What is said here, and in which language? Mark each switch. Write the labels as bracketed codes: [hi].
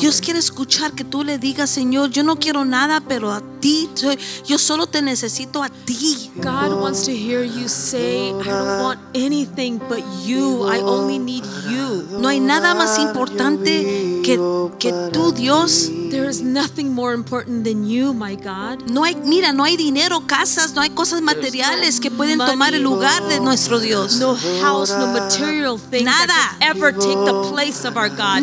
[es] Dios quiere escuchar que tú le digas, Señor, yo no quiero nada, pero a ti, yo solo te necesito a ti. [en] God wants to hear you say, I don't want anything but you. I only need you. [es] No hay nada más importante que tú, Dios. [en] There is nothing more important than you, my God. [es] No hay, mira, no hay dinero, casas, no hay cosas materiales que pueden tomar el lugar de nuestro Dios. [en] No house, no material thing [es] nada. [en] That could ever take the place of our God.